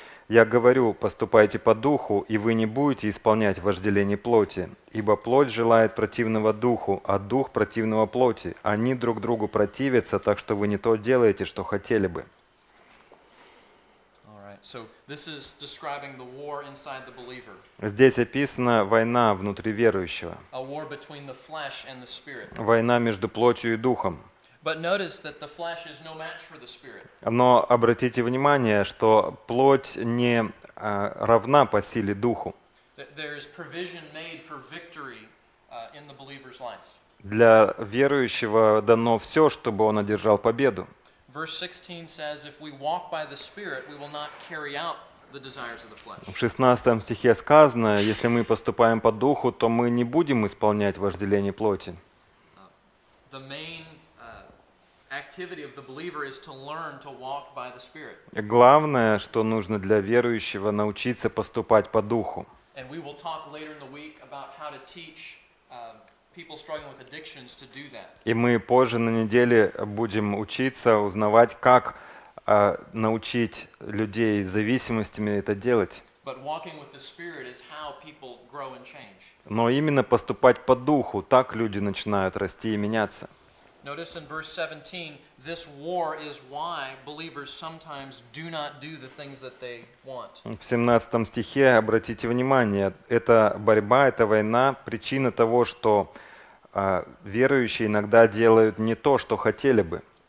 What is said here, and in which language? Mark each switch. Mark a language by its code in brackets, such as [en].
[ru] «Я говорю, поступайте по духу, и вы не будете исполнять вожделение плоти, ибо плоть желает противного духу, а дух противного плоти. Они друг другу противятся, так что вы не то делаете, что хотели бы». [en] So this is describing the war inside the believer. [ru] Здесь описана война внутри верующего. [en] A war between the flesh and the spirit. [ru] Война между плотью и духом. [en] But notice that the flesh is no match for the spirit. [ru] Но обратите внимание, что плоть не равна по силе духу. [en] There is provision made for victory in the believer's life. [ru] Для верующего дано все, чтобы он одержал победу. [en] Verse 16 says, if we walk by the Spirit, we will not carry out the desires of the flesh. [ru] В 16 стихе сказано, если мы поступаем по духу, то мы не будем исполнять вожделение плоти. [en] The main activity of the believer is to learn to walk by the Spirit. [ru] Главное, что нужно для верующего, научиться поступать по духу. [en] And we will talk later in the week about how to teach people struggling with addictions to do that. [ru] И мы позже на неделе будем учиться, узнавать, как научить людей с зависимостями это делать. [en] But walking with the Spirit is how people grow and change. [ru] Но именно поступать по духу, так люди начинают расти и меняться. [en] Notice in verse 17, this war is why believers sometimes do not do the things that they want. [ru] В 17 стихе обратите внимание, эта борьба, эта война, причина того, что верующие иногда делают не то, что хотели бы.